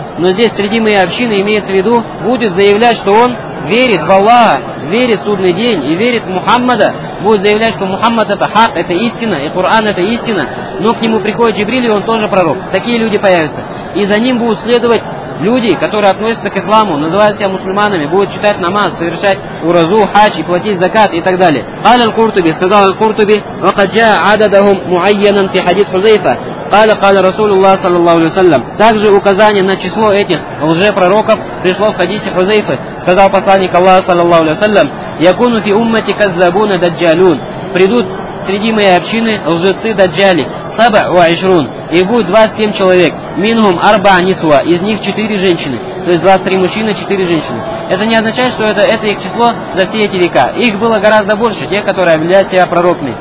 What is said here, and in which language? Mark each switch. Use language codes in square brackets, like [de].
[ru] Но здесь среди моей общины, имеется в виду, будет заявлять, что он верит в Аллаха, верит в судный день и верит в Мухаммада. Будет заявлять, что Мухаммад это хак, это истина, и Коран это истина. Но к нему приходит Джибрил, и он тоже пророк. Такие люди появятся. И за ним будут следовать люди, которые относятся к исламу, называют себя мусульманами, будут читать намаз, совершать уразу, хадж и платить закат и так далее. [ar] قال القرطبي, [ru] сказал Аль-Куртуби, [ar] وقد جاء عددهم معينا في حديث حذيفة. قال رسول الله صلى الله عليه وسلم. [ru] Также указание на число этих лжепророков пришло в хадисе Хузейфы. Сказал посланник Аллаха [ar] صلى الله عليه وسلم, يكونوا في أمتي كذابون دجالون. [ru] Придут среди моей общины лжецы даджали, [ar] саба у айшрун, [ru] и будет 27 человек, [ar] минхум арба анисуа, [ru] из них 4 женщины, то есть 23 мужчины, 4 женщины. Это не означает, что это их число за все эти века. Их было гораздо больше, тех, которые объявляют себя пророками.